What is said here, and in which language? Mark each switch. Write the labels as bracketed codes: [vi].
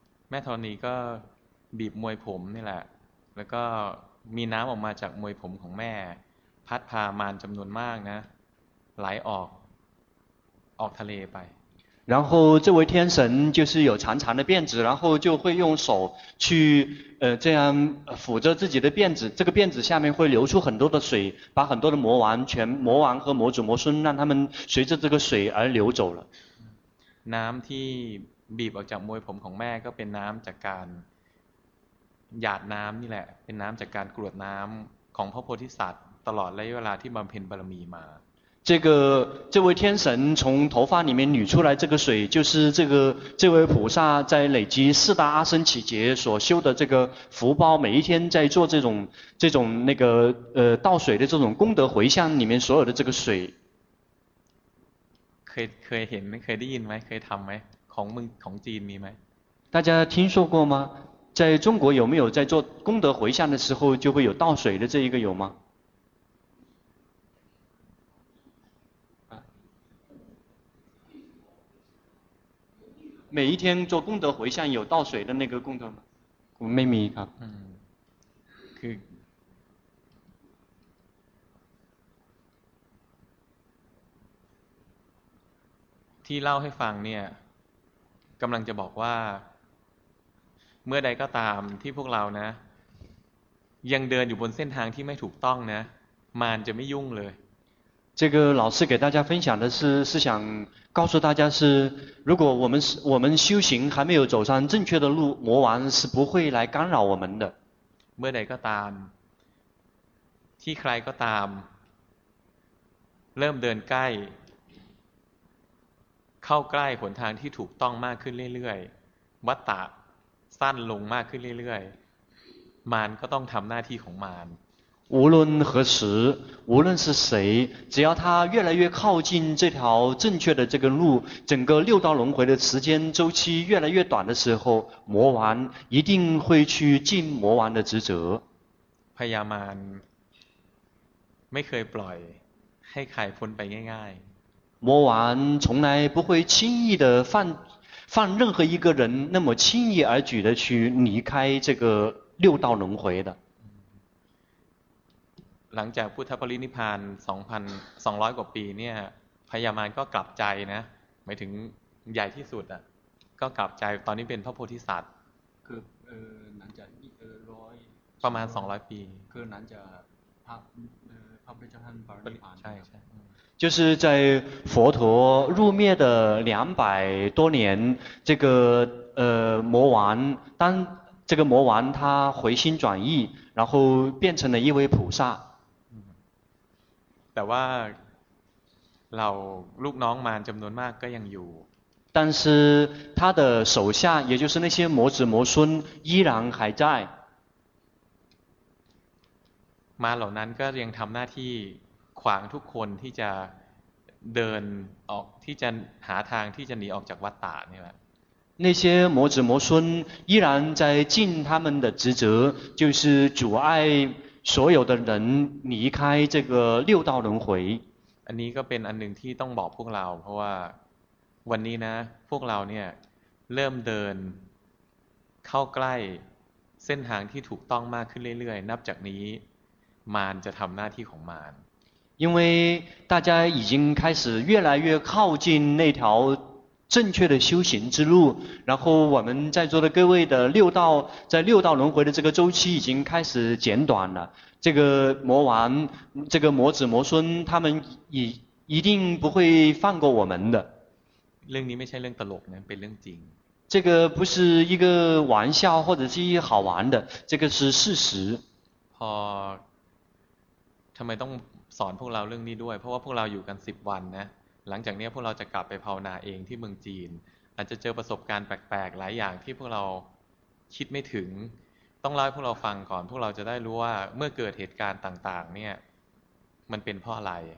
[th] แม่ทรานีก็บีบมวยผมนี่แหละแล้วก็มีน้ำออกมาจากมวยผมของแม่พัดพามารจำนวนมากนะไหลออกทะเลไป [zh] 然后这位天神就是有长长的辫子然后就会用手去这样抚着自己的辫子这个辫子下面会流出很多的水把很多的魔王和魔祖魔孙让他们随着这个水而流走了 [th] น้ำที่บีบออกจากมวยผมของแม่ก็เป็นน้ำจากการหยาดน้ำนี่แหละเป็นน้ำจากการกรวดน้ำของพระโพธิสัตว์ตลอดระยะเวลาที่บำเพ็ญบารมีมา [zh] 这位天神从头发里面捋出来这个水就是这位菩萨在累积四大阿僧祇劫所修的这个福报每一天在做这种那个倒水的这种功德回向里面所有的这个水 [th] 可以เห็นไหมเคยได้ยินไหมเคยทำไหมของมึงของจีนมีไหม [zh] 大家听说过吗在中国有没有在做功德回向的时候就会有倒水的这一个有吗每一天做功德回向有倒水的那个功德吗？我没米卡。嗯，可以。 [th] ที่เล่าให้ฟังเนี่ย，กำลังจะบอกว่า，เมื่อใดก็ตามที่พวกเรานะ，ยังเดินอยู่บนเส้นทางที่ไม่ถูกต้องนะ，มารจะไม่ยุ่งเลย。 [zh] 这个老师给大家分享的是想告诉大家是如果我们修行还没有走上正确的路魔王是不会来干扰我们的 [th] เมื่อใดก็ตามที่ใครก็ตามเริ่มเดินใกล้เข้าใกล้หนทางที่ถูกต้องมากขึ้นเรื่อยๆวัฏฏะสั้นลงมากขึ้นเรื่อยๆมารก็ต้องทำหน้าที่ของมาร [zh] 无论何时无论是谁只要他越来越靠近这条正确的这个路整个六道轮回的时间周期越来越短的时候魔王一定会去尽魔王的职责 [th] พยามารไม่เคยปล่อย ให้ไข่พ้นไปง่าย [zh] ๆ魔王从来不会轻易的放任何一个人那么轻易而举的去离开这个六道轮回的 [th] หลังจากพุทธปรินิพพาน 2,200 กว่าปีเนี่ยพญามารก็กลับใจนะหมายถึงใหญ่ที่สุดอ่ะก็กลับใจตอนนี้เป็นพระโพธิสัตว์คือหลังจากร้อย ประมาณ200ปี คือหลังจากพระพุทธเจ้าท่านปรินิพพาน ใช่ [zh] 就是在佛陀入灭的200多年这个魔王当这个魔王他回心转意然后变成了一位菩萨 [th] แต่ว่าเราลูกน้องมารจำนวนมากก็ยังอยู่ [zh] 但是他的手下也就是那些魔子魔孙依然还在 [th] มาเหล่านั้นก็ยังทำหน้าที่ขวางทุกคนที่จะเดินออกที่จะหาทางที่จะหนีออกจากวัฏฏะนี่แหละ [zh] 那些魔子魔孙依然在尽他们的职责就是阻碍所有的人离开这个六道轮回 [th] อันนี้ก็เป็นอันหนึ่งที่ต้องบอกพวกเราเพราะว่าวันนี้นะพวกเราเนี่ยเริ่มเดินเข้าใกล้เส้นทางที่ถูกต้องมากขึ้นเรื่อยๆนับจากนี้มารจะทำหน้าที่ของมาร [zh] 因为大家已经开始越来越靠近那条正确的修行之路然后我们在座的各位的六道在六道轮回的这个周期已经开始减短了这个魔王这个魔子魔孙他们一定不会放过我们的 [th] เรื่องนี้ไม่ใช่เรื่องตลกนะเป็นเรื่องจริง [zh] 这个不是一个玩笑或者是一个好玩的这个是事实 [th] พอทำไมต้องสอนพวกเราเรื่องนี้ด้วยเพราะว่าพวกเราอยู่กัน10วันนะหลังจากนี้พวกเราจะกลับไปภาวนาเองที่เมืองจีนอาจจะเจอประสบการณ์แปลกๆหลายอย่างที่พวกเราคิดไม่ถึงต้องเล่าให้พวกเราฟังก่อนพวกเราจะได้รู้ว่าเมื่อเกิดเหตุการณ์ต่างๆเนี่ยมันเป็นเพราะอะไร